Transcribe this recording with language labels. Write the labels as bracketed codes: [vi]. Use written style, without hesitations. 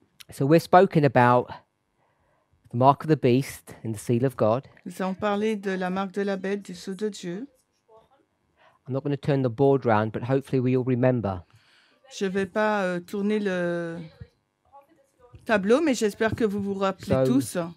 [en] So we're spoken about the mark of the beast and the seal of God. [fr] Nous avons parlé de la marque de la bête, du sceau de Dieu. [en] I'm not going to turn the board round, but hopefully we all remember. [fr] Je vais pas tourner le tableau, mais j'espère que vous vous rappelez tous.